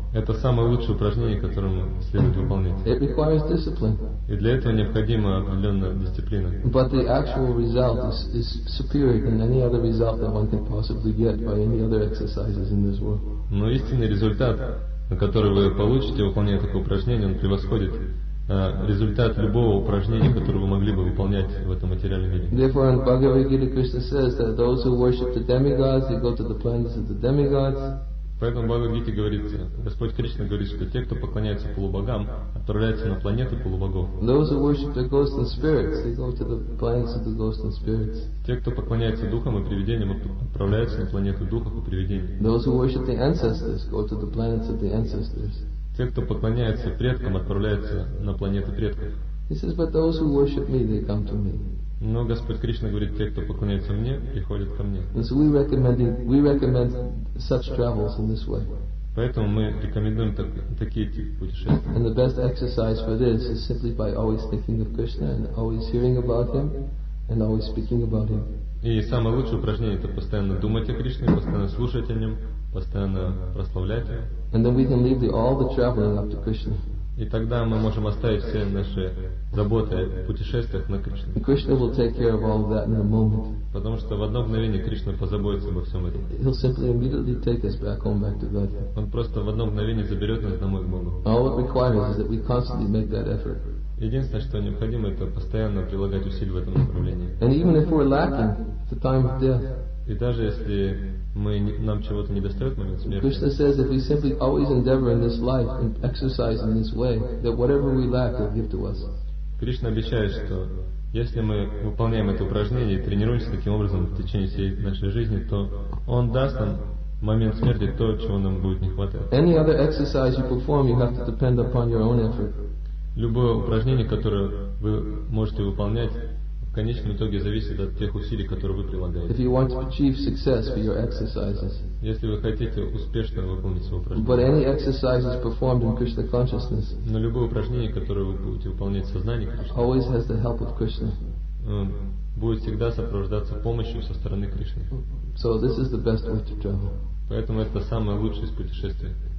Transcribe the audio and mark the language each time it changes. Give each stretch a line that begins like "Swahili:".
Russian: Это самое лучшее упражнение, которое следует выполнять. И для этого необходима определенная дисциплина.
English: But the actual result is superior than any other result that one can possibly get by any other exercises in this world.
Russian: Но истинный результат, который вы получите, выполняя такое упражнение, он превосходит результат любого упражнения, которое вы могли бы выполнять в этом материальном мире.
English: Therefore, in Bhagavad Gita, Krishna says that those who worship the demigods, they go to the planets of the demigods.
Russian: Поэтому в Бхагавад Гите говорится, Господь Кришна говорит, что те, кто поклоняется полубогам, отправляются на планеты полубогов.
English: Those who worship the ghosts and spirits, they go to the planets of the ghosts and spirits.
Russian: Те, кто поклоняется духам и привидениям, отправляются на планету духов и привидений.
English: Those who worship the ancestors, go to the planets of the ancestors.
Russian: Те, кто поклоняется предкам, отправляются на планету предков.
English: He says, but those who worship me, they come to me.
Russian: Но Господь Кришна говорит, те, кто поклоняется мне, приходят ко мне.
English: And so we recommend such travels in this way.
Russian: Поэтому мы рекомендуем такие типы путешествий.
English: And the best exercise for this is simply by always thinking of Krishna and always hearing about him and always speaking about him.
Russian: И самое лучшее упражнение это постоянно думать о Кришне, постоянно слушать о нем, постоянно прославлять его.
English: And then we can leave all the traveling up to Krishna.
Russian: И тогда мы можем оставить все наши заботы о путешествиях на Кришне.
English: Krishna will take care of all that in a moment.
Russian: Потому что в одно мгновение Кришна позаботится обо всем этом.
English: He'll simply immediately take us back home, back to Godhead.
Russian: Он просто в одно мгновение заберет нас домой к Богу.
English: All it requires is that we constantly make that effort.
Russian: Единственное, что необходимо, это постоянно прилагать усилия в этом направлении.
English: And even if we're lacking, the time of death.
Russian: И даже если нам чего-то не достает в момент смерти.
English: Krishna says, if we simply always endeavor in this life and exercise in this way, that whatever we lack, he'll give to us.
Russian: Кришна обещает, что если мы выполняем это упражнение и тренируемся таким образом в течение всей нашей жизни, то он даст нам в момент смерти то, чего нам будет не хватать.
English: Any other exercise you perform, you have to depend upon your own effort.
Russian: Любое упражнение, которое вы можете выполнять, в конечном итоге зависит от тех усилий, которые вы прилагаете.
English: If you want to achieve success for your exercises.
Russian: Если вы хотите успешно выполнить свое упражнение.
English: But any exercises performed in Krishna consciousness.
Russian: Но любое упражнение, которое вы будете выполнять в сознании Кришны.
English: Always has the help of Krishna.
Russian: Будет всегда сопровождаться помощью со стороны Кришны.
English: So this is the best way to travel.
Russian: Поэтому это самое лучшее из путешествий.